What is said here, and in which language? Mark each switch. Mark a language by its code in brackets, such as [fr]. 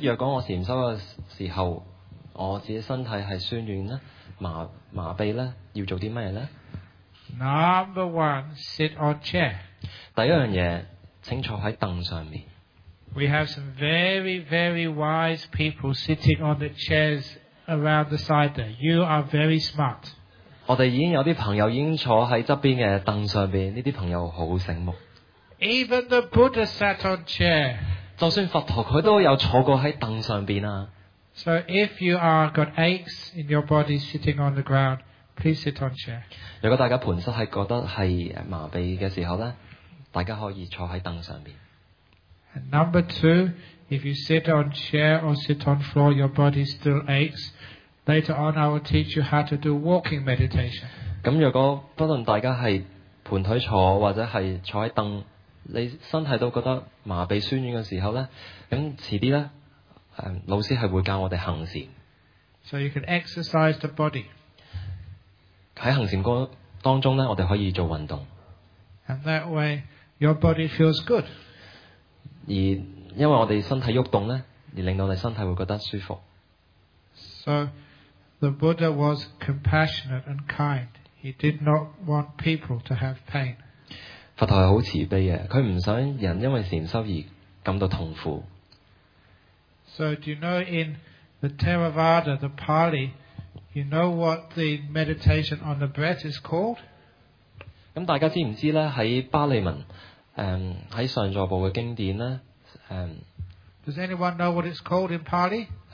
[yue] 若果我禪修嘅時候，我自己身體係酸軟咧、麻痹咧，要做啲咩咧 [en] ？Number one, sit on chair。 [yue] 第一樣嘢，請坐喺凳上面。 [en] We have some very, very wise people sitting on the chairs around the side there. You are very smart. [yue] 我哋已經有啲朋友已經坐喺側邊嘅凳上邊，呢啲朋友好醒目。 [en] Even the Buddha sat on chair. [yue] 就算佛陀佢都有坐過喺凳上邊啊。 [en] So if you are got aches in your body sitting on the ground, please sit on chair. [yue] 如果大家盤膝係覺得係麻痹嘅時候咧，大家可以坐喺凳上邊。 [en] And number two, if you sit on chair or sit on floor, your body still aches. Later on, I will teach you how to do walking meditation. [yue] 咁若果不论大家系盘腿坐或者系坐喺凳，你身体都觉得麻痹酸软嘅时候咧，咁迟啲咧，老师系会教我哋行禅。 [en] So you can exercise the body. [yue] 喺行禅当中咧，我哋可以做运动。 [en] And that way, your body feels good. [yue] 而因為我哋身體喐動咧，而令到我哋身體會覺得舒服。 [en] So the Buddha was compassionate and kind. He did not want people to have pain. [yue] 佛陀係好慈悲嘅，佢唔想人因為禅修而感到痛苦。 [en] So do you know in the Theravada, the Pali, you know what the meditation on the breath is called? [yue] 咁大家知唔知咧？喺巴利文。在上座部的经典呢 [en] Does anyone know what it's called in Pali?